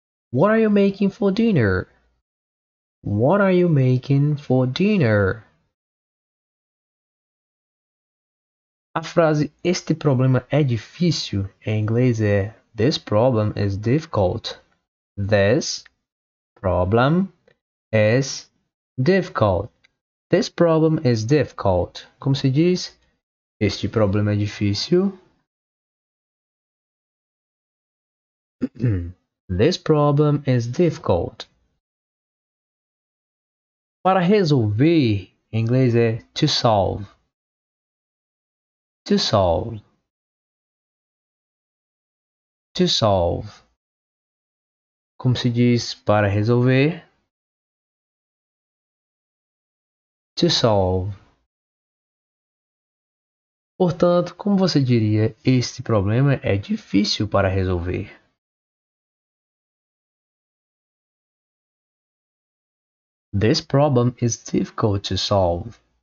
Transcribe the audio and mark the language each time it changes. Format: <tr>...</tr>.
<en>What are you making for dinner? What are you making for dinner?</en> <pt>A frase "Este problema é difícil" em inglês é</pt> <en>This problem is difficult. This problem is difficult. This problem is difficult.</en> <pt>Como se diz? Este problema é difícil.</pt> <en>This problem is difficult.</en> <pt>Para resolver, em inglês é</pt> <en>to solve. To solve. To solve.</en> <pt>Como se diz para resolver?</pt> <en>To solve.</en> <pt>Portanto, como você diria, este problema é difícil para resolver.</pt> <en>This problem is difficult to solve.</en>